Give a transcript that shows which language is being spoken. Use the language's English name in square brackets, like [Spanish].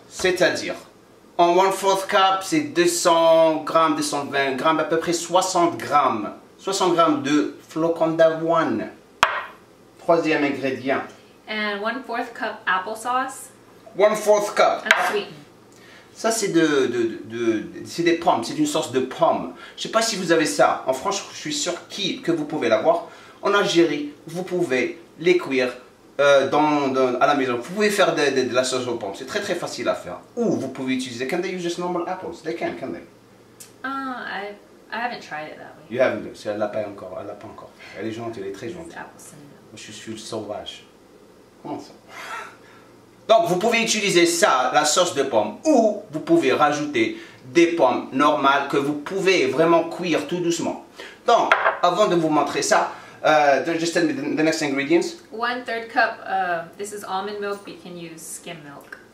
[French] C'est-à-dire, en [English] one fourth cup, [French] c'est 200 grammes, 220 grammes, à peu près 60 grammes. 60 grammes de flocons d'avoine. Troisième ingrédient. [English] And one fourth cup applesauce. One fourth cup. Sweet. [French] Ça, c'est c'est des pommes, c'est une sauce de pommes. Je ne sais pas si vous avez ça. En France, je suis sûr que vous pouvez l'avoir. En Algérie, vous pouvez les cuire à la maison. Vous pouvez faire de la sauce aux pommes. C'est très très facile à faire. Ou vous pouvez utiliser. [English] Can they use just normal apples? They can, can they? I haven't tried it that way. You haven't. So, [French] elle l'a pas encore. Elle l'a pas encore. Elle est gentille. Elle est très gentille. [English] Apples. [French] Moi, je suis sauvage. Comment ça? Donc vous pouvez utiliser ça, la sauce de pommes, ou vous pouvez rajouter des pommes normales que vous pouvez vraiment cuire tout doucement. Donc avant de vous montrer ça. [English] Just tell me the next ingredients. One third cup, this is almond milk, but you can use skim milk.